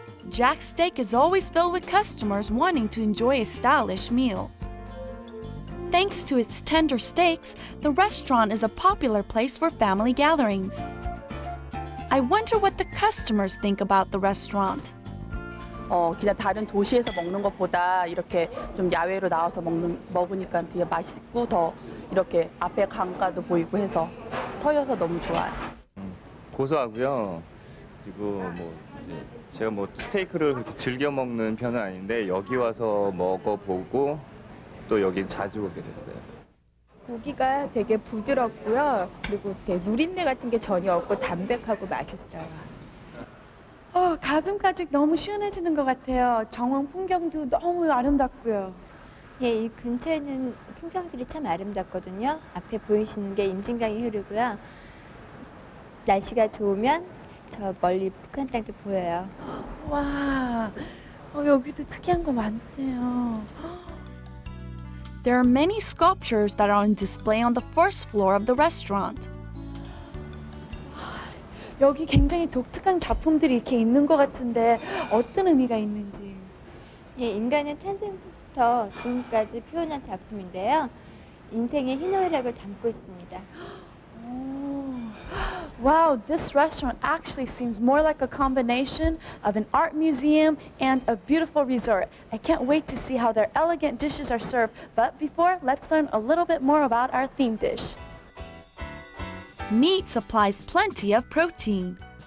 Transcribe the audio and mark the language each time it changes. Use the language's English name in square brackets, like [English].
[English] Jack's Steak is always filled with customers wanting to enjoy a stylish meal. Thanks to its tender steaks, the restaurant is a popular place for family gatherings. I wonder what the customers think about the restaurant. [Korean] 그냥 다른 도시에서 먹는 것보다 이렇게 좀 야외로 나와서 먹으니까 되게 맛있고 더 이렇게 앞에 강가도 보이고 해서 터여서 너무 좋아요. 고소하고요. 그리고 제가 스테이크를 그렇게 즐겨 먹는 편은 아닌데 여기 와서 먹어보고 또 여기 자주 오게 됐어요. 고기가 되게 부드럽고요. 그리고 이렇게 누린내 같은 게 전혀 없고 담백하고 맛있어요. 가슴까지 너무 시원해지는 것 같아요. 정원 풍경도 너무 아름답고요. 예, 이 근처에는 풍경들이 참 아름답거든요. 앞에 보이시는 게 임진강이 흐르고요. 날씨가 좋으면 저 멀리 북한 땅도 보여요. 와, 여기도 특이한 거 많네요. [English] There are many sculptures that are on display on the first floor of the restaurant. [Korean] 여기 굉장히 독특한 작품들이 이렇게 있는 것 같은데 어떤 의미가 있는지. 예, 인간의 탄생부터 지금까지 표현한 작품인데요. 인생의 희노애락을 담고 있습니다. [English] Wow, this restaurant actually seems more like a combination of an art museum and a beautiful resort. I can't wait to see how their elegant dishes are served. But before, let's learn a little bit more about our theme dish. Meat supplies plenty of protein.